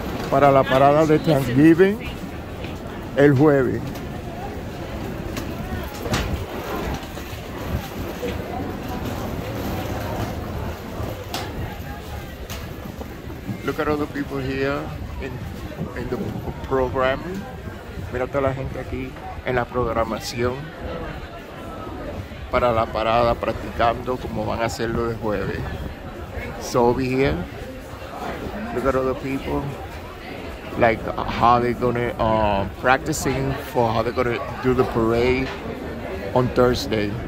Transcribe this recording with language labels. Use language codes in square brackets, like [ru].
[es] para la parada de Thanksgiving el jueves. [en] Look at all the people here in the program. [es] Mira toda la gente aquí en la programación para la parada, practicando como van a hacerlo el jueves. [en] So over here, look at all the people. Like how they're gonna practicing for how they're gonna do the parade on Thursday.